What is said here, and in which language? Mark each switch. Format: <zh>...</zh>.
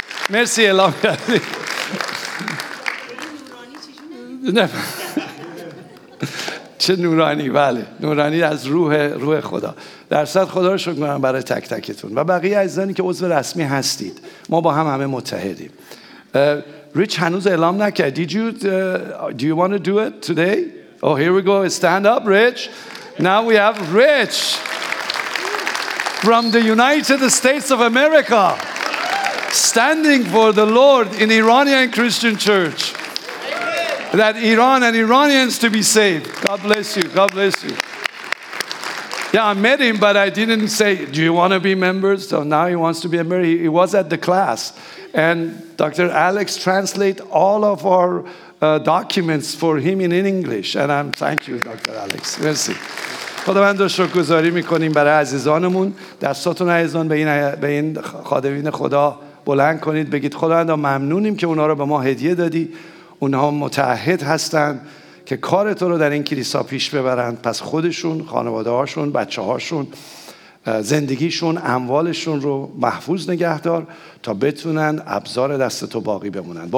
<fa>مرسی اعلام کردید. نه چه نورانی، بله نورانی از روح خدا. در صد خدا رو شکر می‌کنم برای تک تکتون و بقیه عزیزانی که عضو رسمی هستید. ما با هم همه متحدیم. ریچ هنوز اعلام نکرد.</fa> <en>Do you want to do it today? Oh, here we go. Stand up, Rich. Now we have Rich from the United States of America standing for the Lord in Iranian Christian Church. That Iran and Iranians to be saved. God bless you. God bless you. Yeah, I met him, but I didn't say, do you want to be members? So now he wants to be a member. He was at the class. And Dr. Alex translate all of our documents for him in English. And I'm thank you, Dr. Alex. Merci.</en> <fa>خداوند رو شکرگزاری میکنیم برای عزیزانمون. دستاتون عزیزان به این خادمین خدا بلند کنید، بگید خداوند ممنونیم که اونا رو به ما هدیه دادی. اونها متعهد هستن که کار تو رو در این کلیسا پیش ببرند، پس خودشون، خانواده هاشون، بچه هاشون، زندگیشون، اموالشون رو محفوظ نگه دار تا بتونن ابزار دست تو باقی بمونن.</fa>